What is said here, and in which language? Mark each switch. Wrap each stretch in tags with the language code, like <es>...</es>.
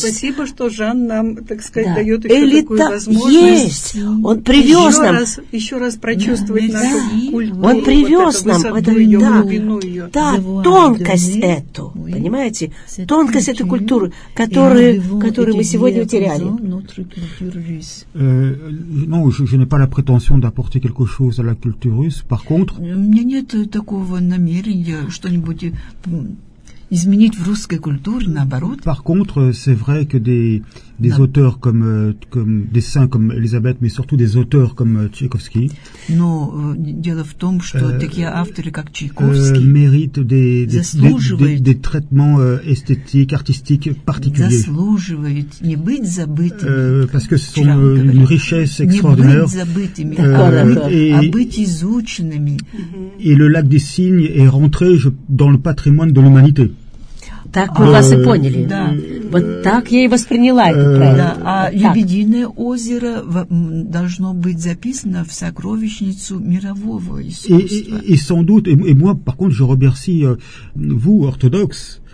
<ru>Спасибо, что Жан нам, так сказать, да. дает еще такую возможность. Есть! Он привез еще нам... Еще раз прочувствовать нашу культуру. Он привез нам... Высоту, это, ее, да, глубину ее. Да, тонкость эту. Понимаете? Тонкость этой культуры... Которые мы сегодня утеряли.</ru> <fr>Non, je n'ai pas la prétention d'apporter quelque chose à la culture russe. Par contre...</fr> <ru>У меня нет такого намерения что-нибудь изменить в русской культуре, наоборот.</ru> <fr>Par contre, c'est vrai que des auteurs comme des saints comme Elisabeth, mais surtout des auteurs comme Tchaïkovski...</fr> <ru>Но дело в том, что такие авторы, как Чайковский,</ru> <fr>Méritent des traitements esthétiques, artistiques particuliers.</fr> <ru>Заслуживают не быть забытыми.</ru> <fr>Parce que c'est une richesse extraordinaire.</fr> <ru>Не быть забытыми, а быть изученными.</ru> <fr>Et le lac des cygnes est rentré dans le patrimoine de l'humanité.</fr> <ru>Так мы вас и поняли. Да. Вот так я и восприняла это. Да. А так. Лебединое озеро должно быть записано в сокровищницу мирового искусства.</ru> <fr>И sans doute, et moi, par contre, je remercie vous, orthodoxes,</fr>